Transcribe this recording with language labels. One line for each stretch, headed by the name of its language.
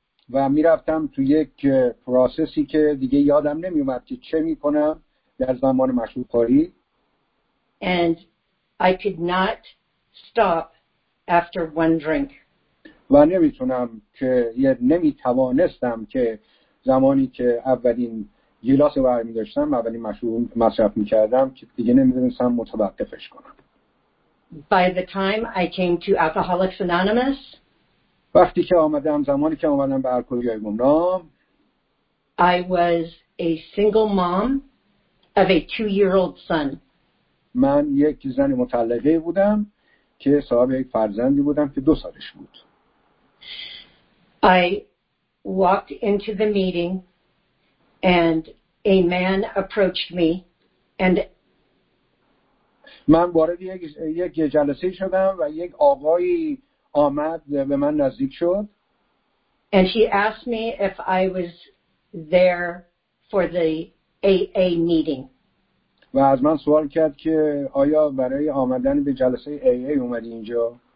Persian: و می رفتم تو یک پروسسی که دیگه یادم نمی اومد که چه می کنم در زمان مشروب کاری.
English: And I could not stop after one drink.
Persian: و نمیتونم که یه نمیتوانستم که زمانی که اولین گلاس رو برمی داشتم، اولین مشروب مصرف میکردم، که دیگه نمیتونستم متوقفش کنم.
English: By the time I came to Alcoholics Anonymous,
Persian: وقتی که آمدم، زمانی که آمدم به الکلی‌های گمنام،
English: I was a single mom of a 2-year-old son.
Persian: من یک زن مطلقه بودم که صاحب یک فرزندی بودم که 2 سالش بود.
English: I walked into the meeting and a man approached me and
Persian: من وارد یک جلسه شدم و یک آقایی آمد به من نزدیک شد.
English: And he asked me if I was there for the AA meeting.
Persian: و از من سوال کرد که آیا برای آمدن به جلسه AA اومدی اینجا؟